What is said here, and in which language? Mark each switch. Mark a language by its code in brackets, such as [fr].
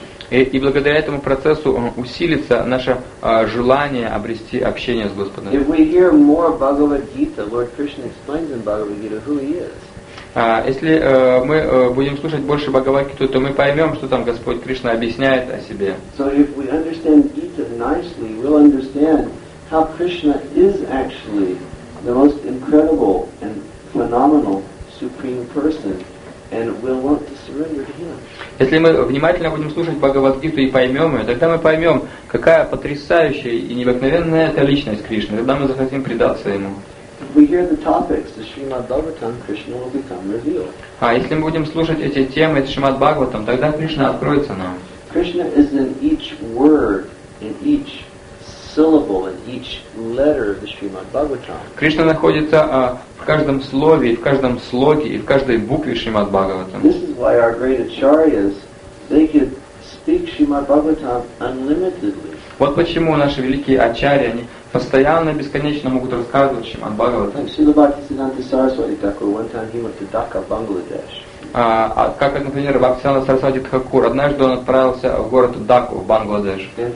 [ru] И благодаря этому процессу усилится наше желание обрести общение с Господом. [en] If we hear more Bhagavad Gita, Lord Krishna explains in Bhagavad Gita who he is. [ru] Если мы будем слушать больше Бхагавад Гиту, то мы поймем, что там Господь Кришна объясняет о себе. [en] So if we understand Gita nicely, we'll understand how Krishna is actually the most incredible and phenomenal supreme person, and we'll want to surrender to him. [ru] Если мы внимательно будем слушать Бхагавад Гиту и поймем ее, тогда мы поймем, какая потрясающая и необыкновенная эта личность Кришны. Тогда мы захотим предаться ему. [en] If we hear the topics, the Srimad Bhagavatam, Krishna will become revealed. [ru] Если мы будем слушать эти темы из Шримад Бхагаватам, тогда Кришна откроется нам. [en] Krishna is in each word, in each syllable, in each letter of the Srimad Bhagavatam. [ru] Кришна находится в каждом слове, в каждом слоге и в каждой букве Шримад Бхагаватам. [en] This is why our great acharyas, they could speak Srimad Bhagavatam unlimitedly. [ru] Вот почему наши великие ачарьи, они постоянно и бесконечно могут рассказывать Шримад Бхагаватам. [en] Srila Bhaktisiddhanta Saraswati Thakur, one time he went to Dhaka, Bangladesh. [ru] Как, например, Бхактисиддханта Сарасвати Тхакур, однажды он отправился в город Даку, в Бангладеш.